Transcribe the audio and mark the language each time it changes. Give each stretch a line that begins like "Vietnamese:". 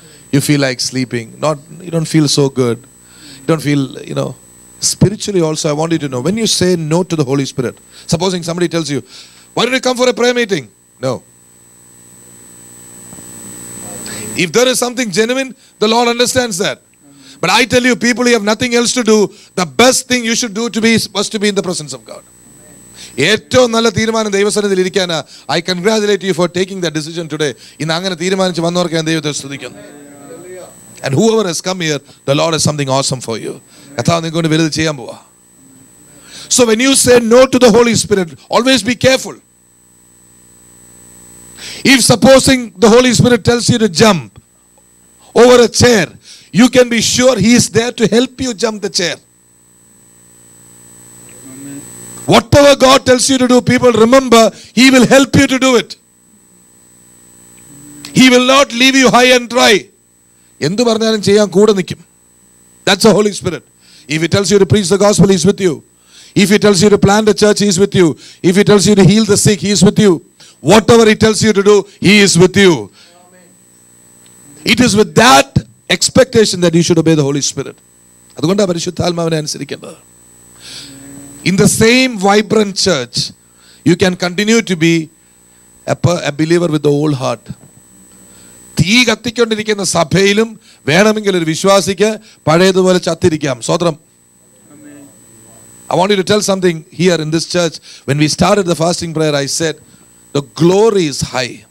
English: You feel like sleeping. You don't feel so good. You don't feel, you know, Spiritually also, I want you to know, when you say no to the Holy Spirit, supposing somebody tells you, why don't you come for a prayer meeting? No. If there is something genuine, the Lord understands that. But I tell you, people who have nothing else to do, the best thing you should do was to be in the presence of God.
Malayalam: ഏറ്റവും നല്ല തീരുമാനം ദൈവസന്നിധിയിൽ ഇരിക്കാനാ.
English: I congratulate you for taking that decision today.
Malayalam: ഇന്ന് അങ്ങനെ തീരുമാനിച്ച് വന്നവർക്ക് ഞാൻ ദൈവത്തെ സ്തുതിക്കുന്നു.
English: And whoever has come here, the Lord has something awesome for you. That's how you're going to do it. So when you say no to the Holy Spirit, always be careful. If supposing the Holy Spirit tells you to jump over a chair, you can be sure He is there to help you jump the chair. Whatever God tells you to do, people remember, He will help you to do it. He will not leave you high and dry.
Malayalam: എന്ത് പറഞ്ഞാലും ചെയ്യാൻ കൂടെ നിൽക്കും
English: that's A holy spirit if it tells U to preach the gospel he's with you if it tells U to plant A church he's with you if it tells U to heal the Sikh he's with you what ever it tells U to do he's with you it is with that expectation that you should obey the holy spirit
Malayalam: അതുകൊണ്ടാണ് പരിശുദ്ധാത്മാവിനെ അനുസരിക്കേണ്ടത്
English: in the same vibrant church you can continue to B A believer with the old heart
Malayalam: തീ കത്തിക്കൊണ്ടിരിക്കുന്ന സഭയിലും വേണമെങ്കിൽ ഒരു വിശ്വാസിക്ക് പഴയതുപോലെ ചത്തിരിക്കാം സ്തോത്രം
English: I won't U to tell something here in this church when we started the fasting prayer I said the glory is high